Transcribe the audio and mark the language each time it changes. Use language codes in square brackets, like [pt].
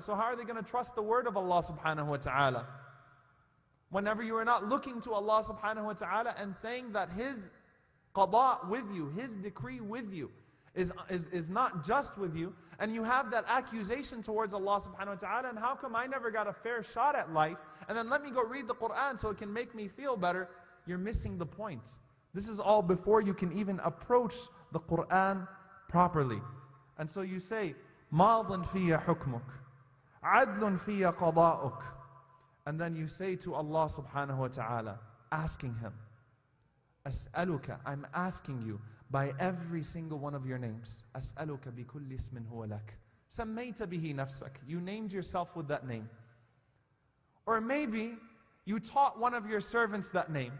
[en] So how are they going to trust the word of Allah subhanahu wa ta'ala? Whenever you are not looking to Allah subhanahu wa ta'ala and saying that His qada with you, His decree with you, is not just with you, and you have that accusation towards Allah subhanahu wa ta'ala, and how come I never got a fair shot at life, and then let me go read the Qur'an so it can make me feel better, you're missing the point. This is all before you can even approach the Qur'an properly. And so you say, [ar] مَاضٌ فِيَّ حُكْمُكْ عَدْلٌ فِيَّ قَضَاءُكْ. [en] And then you say to Allah subhanahu wa ta'ala, asking Him, [ar] أَسْأَلُكَ, [en] I'm asking you, by every single one of your names. [ar] As'aluka bi kulli ismin huwa lak. Sammayta bihi nafsak. [en] You named yourself with that name. Or maybe you taught one of your servants that name.